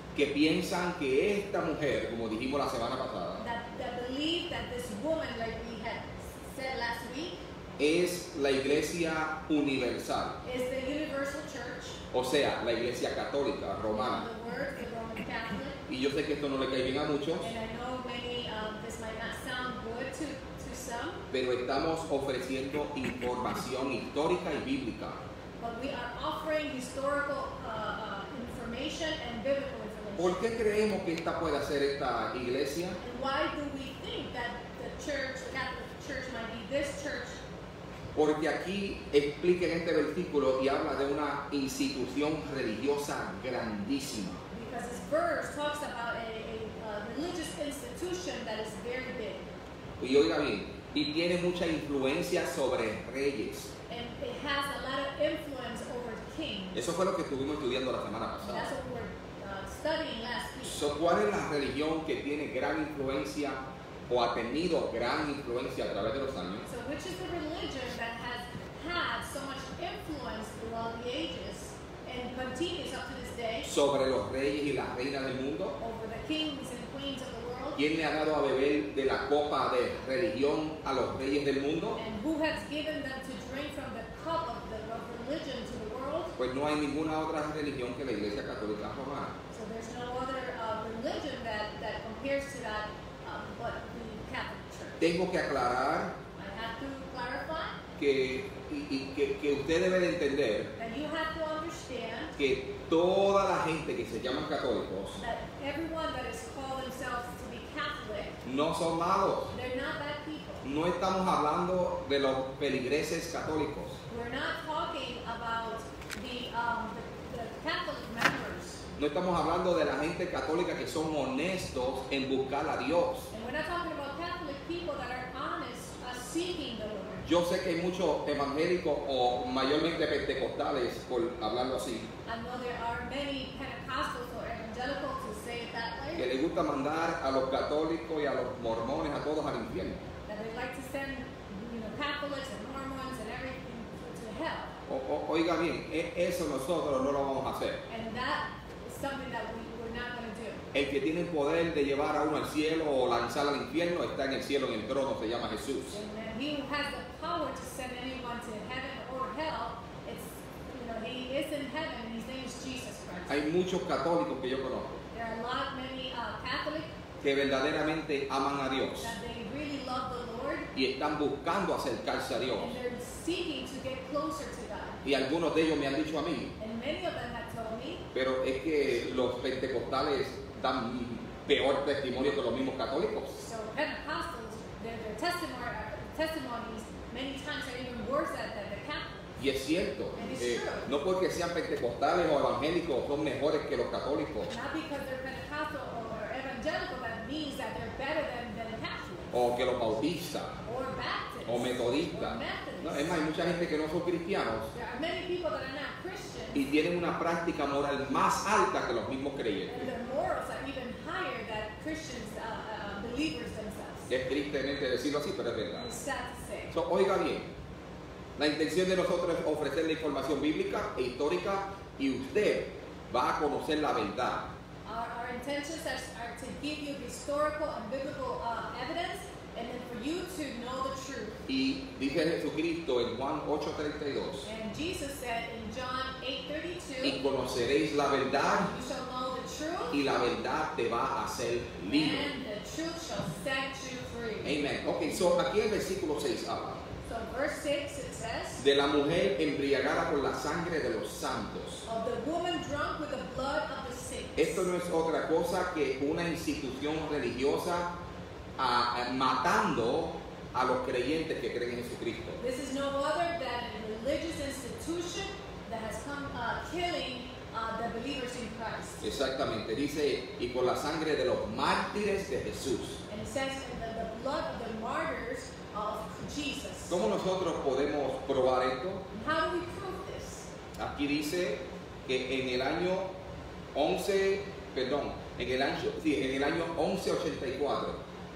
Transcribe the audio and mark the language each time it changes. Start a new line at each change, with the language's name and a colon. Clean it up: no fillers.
Spanish: que piensan que esta mujer, como dijimos la semana pasada,
English: that believe that this woman, like we had said last week,
Spanish: es la iglesia universal.
English: Is the universal church.
Spanish: O sea, la iglesia católica, romana.
English: The word, the Roman Catholic.
Spanish: Y yo sé que esto no le cae bien a muchos.
English: And I know maybe this might not sound good to some.
Spanish: Pero estamos ofreciendo información histórica y bíblica.
English: But we are offering historical information and biblical information.
Spanish: ¿Por qué creemos que esta puede ser esta iglesia?
English: And why do we think that the church, the Catholic church, might be this church?
Spanish: Porque aquí explica en este versículo y habla de una institución religiosa grandísima.
English: Because this verse talks about a religious institution that is very big.
Spanish: Y oiga bien, y tiene mucha influencia sobre reyes.
English: And it has a lot of influence over kings.
Spanish: Eso fue lo que estuvimos estudiando la semana pasada.
English: That's what we were studying last week.
Spanish: So, ¿cuál es la religión que tiene gran influencia o ha tenido gran influencia a través de los años?
English: So which is the religion that has had so much influence throughout the ages and continues up to this day?
Spanish: Sobre los reyes y las reinas del mundo.
English: Over the kings and queens of the world.
Spanish: ¿Quién le ha dado a beber de la copa de religión a los reyes del mundo?
English: And who has given them to drink from the cup of the of religion to the world?
Spanish: Pues no hay ninguna otra religión que la Iglesia Católica Romana.
English: So there's no other religion that compares to that. But the Catholic Church.
Spanish: tengo que aclarar,
English: I have to clarify,
Spanish: que usted debe de entender,
English: that you have to understand,
Spanish: que toda la gente que se llaman católicos,
English: that everyone that is called themselves to be Catholic,
Spanish: no son malos.
English: They're not bad people.
Spanish: No estamos hablando de los feligreses católicos.
English: We're not talking about the Catholic members.
Spanish: No estamos hablando de la gente católica que son honestos en buscar a Dios.
English: And we're not talking about Catholic people that are honest seeking the Lord.
Spanish: Yo sé que hay muchos evangélicos o mayormente pentecostales por hablarlo así.
English: I know there are many Pentecostals or evangelicals who say it that way.
Spanish: Que les gusta mandar a los católicos y a los mormones, a todos al infierno.
English: That they like to send, you know, Catholics and Mormons and everything to hell.
Spanish: Oiga bien, eso nosotros no lo vamos a hacer.
English: And that is something that we're not going to do.
Spanish: El que tiene el poder de llevar a uno al cielo o lanzar al infierno está en el cielo, en el trono, se llama Jesús.
English: And he who has the power to send anyone to heaven or hell, it's, you know, he is in heaven, his name is Jesus Christ.
Spanish: Hay muchos católicos que yo conozco.
English: There are a lot of many Catholics
Spanish: que verdaderamente aman a Dios.
English: That they really love the Lord.
Spanish: Y están buscando acercarse a Dios.
English: And they're seeking to get closer to God.
Spanish: Y algunos de ellos me han dicho a mí,
English: many of them have told me,
Spanish: pero es que los pentecostales dan peor testimonio que los mismos católicos.
English: So Pentecostals, their testimonies many times are even worse than the Catholics.
Spanish: Y es cierto.
English: And it's true.
Spanish: No porque sean pentecostales o evangélicos son mejores que los católicos.
English: Not because they're Pentecostal or evangelical that means that they're better than the Catholics.
Spanish: O que los bautistas.
English: Or Baptists.
Spanish: O metodistas. No, es más, hay mucha gente que no son cristianos.
English: There are many people that are not Christians.
Spanish: Y tienen una práctica moral más alta que los mismos creyentes.
English: And their morals are even higher than Christians, believers themselves.
Spanish: Es tristemente decirlo así, pero es verdad.
English: It's sad to say.
Spanish: So, oiga bien, la intención de nosotros es ofrecer la información bíblica e histórica y usted va a conocer la verdad.
English: Our intentions are to give you historical and biblical evidence. And then for you to know the truth.
Spanish: Y dice Jesucristo en Juan 8:32.
English: And Jesus said in John 8:32.
Spanish: Y conoceréis la verdad.
English: You shall know the truth.
Spanish: Y la verdad te va a hacer libre.
English: And the truth shall set you free.
Spanish: Amen.
English: Okay, so
Spanish: aquí el versículo 6 habla.
English: So verse 6 it says.
Spanish: De la mujer embriagada con la sangre de los santos.
English: Of the woman drunk with the blood of the saints.
Spanish: Esto no es otra cosa que una institución religiosa matando a los creyentes que creen en Jesucristo.
English: This is no other than a religious institution that has come killing the believers in Christ.
Spanish: Exactamente, dice, y con la sangre de los mártires de Jesús.
English: And it says the blood of the martyrs of Jesus.
Spanish: ¿Cómo nosotros podemos probar esto?
English: And how do we prove this?
Spanish: Aquí dice que en el año 11, perdón, en el año, sí, en el año 1184.